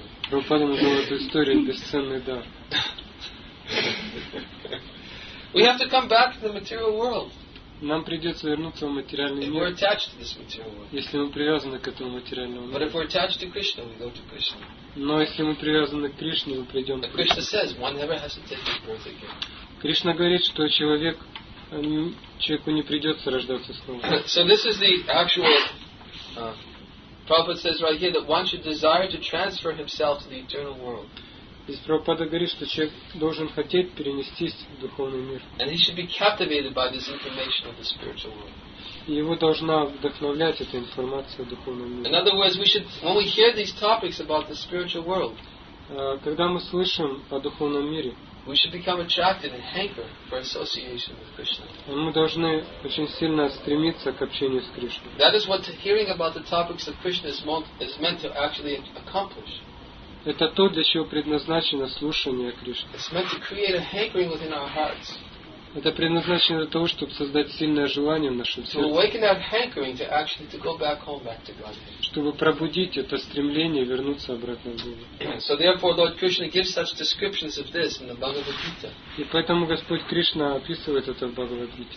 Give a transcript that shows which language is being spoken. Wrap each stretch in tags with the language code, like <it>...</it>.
<ru>Прабхупада назвал эту историю бесценный дар.</ru> <en>We have to come back to the material world.</en> <ru>Нам придется вернуться в материальный мир.</ru> <en>If we're attached to this material world.</en> <ru>Если мы привязаны к этому материальному миру.</ru> <en>But if we're attached to Krishna, we go to Krishna.</en> <ru>Но если мы привязаны к Кришне, мы придем к</ru> <en>Кришне. Krishna says, one never has to take his birth again.</en> <ru>Кришна говорит, что человеку не придется рождаться снова.</ru> <en>So this is the actual Prabhupada says right here that one should desire to transfer himself to the eternal world.</en> <ru>Здесь Прабхупада говорит, что человек должен хотеть перенестись в духовный мир.</ru> <en>And he should be captivated by this information of the spiritual world.</en> <ru>Его должна вдохновлять эта информация о духовном мире.</ru> <en>In other words, we should, when we hear these topics about the spiritual world,</en> <ru>когда мы слышим о духовном мире,</ru> <en>we should become attracted and hanker for association with Krishna.</en> <ru>Мы должны очень сильно стремиться к общению с Кришной.</ru> <en>That is what hearing about the topics of Krishna is meant to actually accomplish.</en> <ru>Это то, для чего предназначено слушание Кришны.</ru> <en>It's meant to create a hankering within our hearts.</en> <ru>Это предназначено для того, чтобы создать сильное желание в нашем сердце. Чтобы пробудить это стремление вернуться обратно в Бхагавад-гиту. И поэтому Господь Кришна описывает это в Бхагавад-гите.</ru>